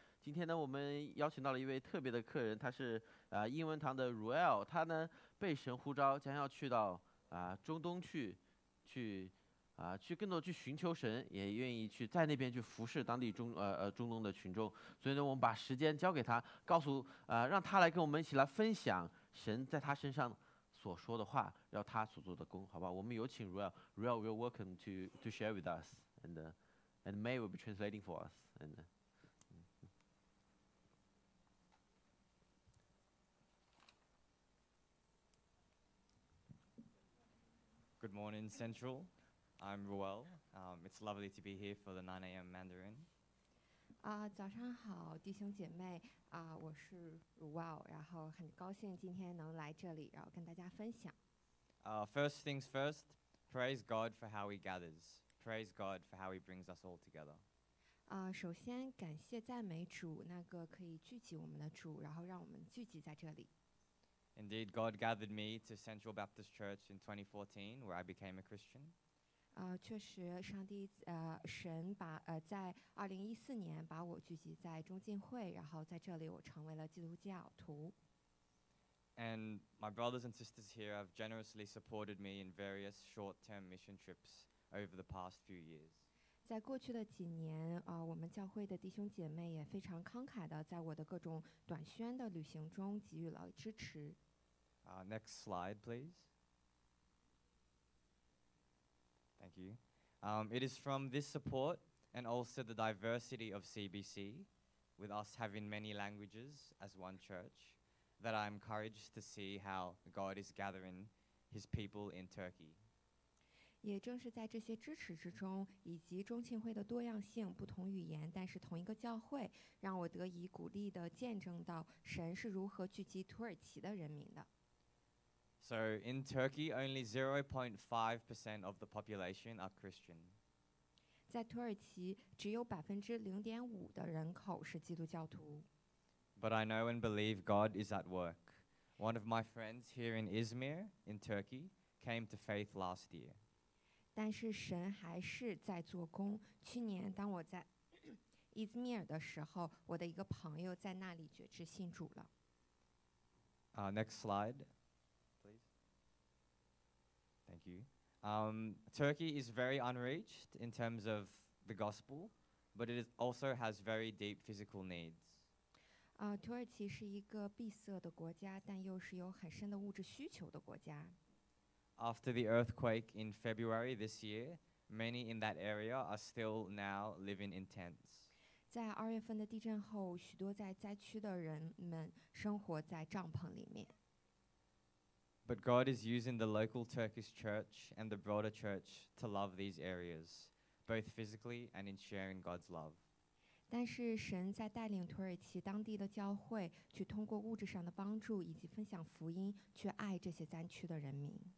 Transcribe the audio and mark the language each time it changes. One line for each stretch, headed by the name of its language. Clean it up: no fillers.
Chinese: 今天呢，我们邀请到了一位特别的客人，他是英文堂的 Ruel， 他呢被神呼召，将要去到中东去更多去寻求神，也愿意去在那边去服侍当地中东的群众。所以呢，我们把时间交给他，告诉让他来跟我们一起来分享神在他身上所说的话，要他所做的工，好吧？我们有请 Ruel。
English: Ruel, you're welcome to share with us, and May will be translating for us. And good morning, Central. I'm Ruel. It's lovely to be here for the 9 a.m. Mandarin.
Chinese: 早上好，弟兄姐妹。我是 Ruel， 然后很高兴今天能来这里，然后跟大家分享。
English: First things first, praise God for how He gathers. Praise God for how He brings us all together.
Chinese: 首先感谢赞美主，那个可以聚集我们的主，然后让我们聚集在这里。
English: Indeed, God gathered me to Central Baptist Church in 2014, where I became a Christian.
Chinese: 确实，上帝神把在2014年把我聚集在中进会，然后在这里我成为了基督教徒。
English: And my brothers and sisters here have generously supported me in various short-term mission trips over the past few years.
Chinese: 在过去的几年，我们教会的弟兄姐妹也非常慷慨的在我的各种短宣的旅行中给予了支持。
English: Next slide, please. Thank you. It is from this support and also the diversity of CBC, with us having many languages as one church, that I'm encouraged to see how God is gathering His people in Turkey.
Chinese: 也正是在这些支持之中，以及中庆会的多样性，不同语言，但是同一个教会，让我得以鼓励地见证到神是如何聚集土耳其的人民的。
English: So in Turkey, only 0.5% of the population are Christian.
Chinese: 在土耳其，只有0.5%的人口是基督教徒。
English: But I know and believe God is at work. One of my friends here in Izmir, in Turkey, came to faith last year.
Chinese: 但是神还是在做工。去年当我在伊兹密尔的时候，我的一个朋友在那里决志信主了。
English: Next slide. Thank you. Turkey is very unreached in terms of the gospel, but it also has very deep physical needs.
Chinese: 土耳其是一个闭塞的国家，但又是有很深的物质需求的国家。
English: After the earthquake in February this year, many in that area are still now living in tents.
Chinese: 在二月份的地震后，许多在灾区的人们生活在帐篷里面。
English: But God is using the local Turkish church and the broader church to love these areas, both physically and in sharing God's love.
Chinese: 但是神在带领土耳其当地的教会去通过物质上的帮助以及分享福音去爱这些灾区的人民。